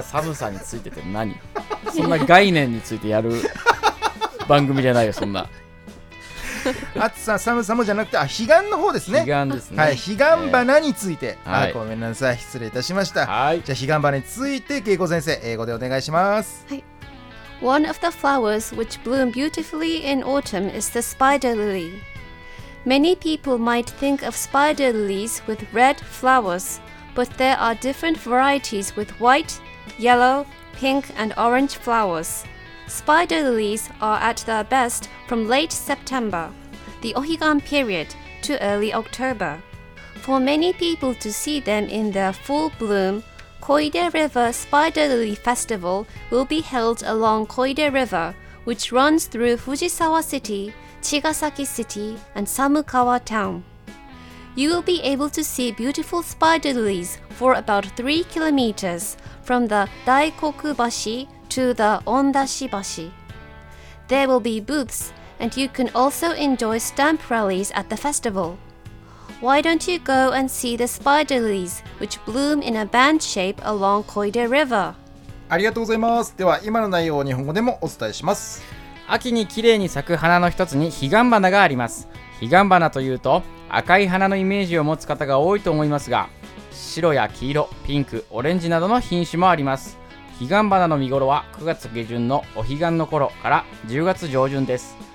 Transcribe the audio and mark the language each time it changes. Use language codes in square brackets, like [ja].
[ja] 暑さ寒さについてって何。そんな概念についてやる番組じゃないよ、そんな。暑さ寒さもじゃなくて、あ、彼岸の方ですね。彼岸ですね。はい、彼岸花について、ごめんなさい、失礼いたしました。はい、じゃあ彼岸花について恵子先生、英語でお願いします。はい。 [en] One of the flowers which bloom beautifully in autumn is the spider lily. Many people might think of spider lilies with red flowers, but there are different varieties with white, yellow, pink and orange flowers. Spider lilies are at their best from late September, the Ohigan period, to early October. For many people to see them in their full bloom, Koide River Spider Lily Festival will be held along Koide River, which runs through Fujisawa City, Chigasaki City, and Samukawa Town. You will be able to see beautiful spider lilies for about 3 kilometers from the Daikoku Bashi to the Ondashi Bashi. There will be booths, and you can also enjoy stamp rallies at the festival. Why don't you go and see the spider lilies, which bloom in a band shape along Koide River? [ja] ありがとうございます。では今の内容を日本語でもお伝えします。秋にきれいに咲く花の一つに彼岸花があります。彼岸花というと赤い花のイメージを持つ方が多いと思いますが、白や黄色、ピンク、オレンジなどの品種もあります。彼岸花の見頃は9月下旬のお彼岸の頃から10月上旬です。